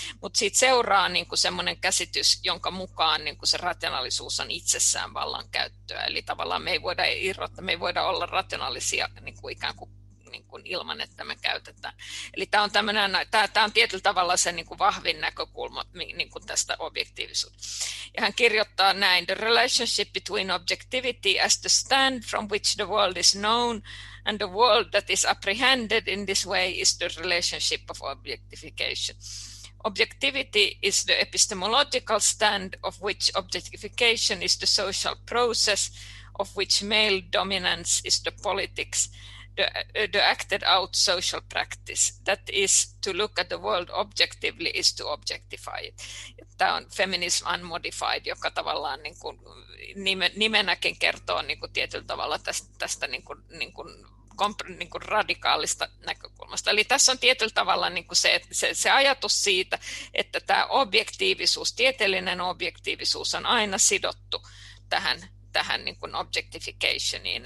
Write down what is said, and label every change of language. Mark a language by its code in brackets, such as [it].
[fi] Mutta siitä seuraa niin kuin semmoinen käsitys, jonka mukaan niin kuin se rationaalisuus on itsessään vallankäyttöä. Eli tavallaan me ei voida olla rationaalisia niin kuin ikään kuin, niin kuin ilman, että me käytetään. Eli tämä on tietyllä tavalla se niin kuin vahvin näkökulma niin kuin tästä objektiivisuudesta. [en] Ja hän kirjoittaa näin, the relationship between objectivity as the stand from which the world is known and the world that is apprehended in this way is the relationship of objectification. Objectivity is the epistemological stand of which objectification is the social process of which male dominance is the politics, the acted out social practice. That is, to look at the world objectively is to objectify it. [fi] Tämä on Feminism Unmodified, joka tavallaan niin kuin nimenäkin kertoo niin kuin tietyllä tavalla tästä niin kuin niin kuin radikaalista näkökulmasta. Eli tässä on tietyllä tavalla niin kuin se ajatus siitä, että tämä objektiivisuus, tieteellinen objektiivisuus on aina sidottu tähän niin kuin objectificationiin.